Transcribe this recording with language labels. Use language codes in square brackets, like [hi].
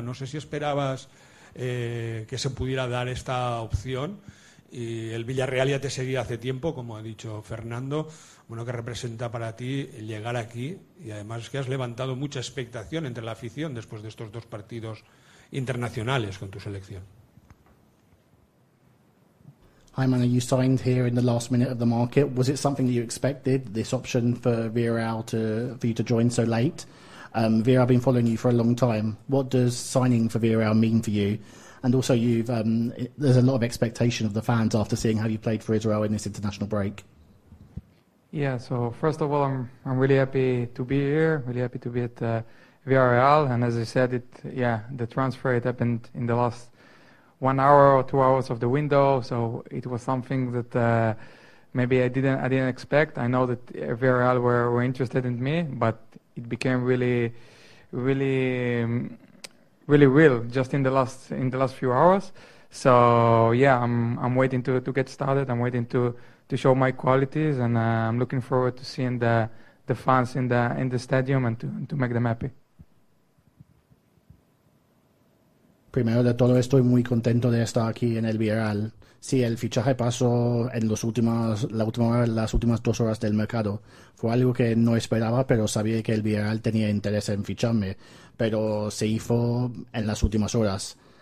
[es] No sé si esperabas que se pudiera dar esta opción. Y el Villarreal ya te seguía hace tiempo, como ha dicho Fernando. Bueno, ¿qué representa para ti llegar aquí? Y además es que has levantado mucha expectación entre la afición después de estos dos partidos internacionales con tu selección. [en] Hi, Manu, you signed here in the last minute of the market. Was it something that you expected, this option for Villarreal for you to join so late? Villarreal, I've been following you for a long time. What does signing for Villarreal mean for you? And also, there's a lot of expectation of the fans after seeing how you played for Israel in this international break. Yeah, so first of all, I'm really happy to be here, really happy to be at Villarreal. And as I said, the transfer, it happened in the last 1 hour or 2 hours of the window. So it was something that maybe I didn't expect. I know that Villarreal were interested in me, but it became really, really, really real just in the last few hours. So yeah, I'm waiting to get started. I'm waiting to show my qualities, and I'm looking forward to seeing the fans in the stadium and to make them happy. [es] Primero de todo, estoy muy contento de estar aquí en el Villarreal. Sí, el fichaje pasó en las últimas 2 horas del mercado. Fue algo que no esperaba, pero sabía que el Villarreal tenía interés en ficharme, pero se hizo en las últimas horas.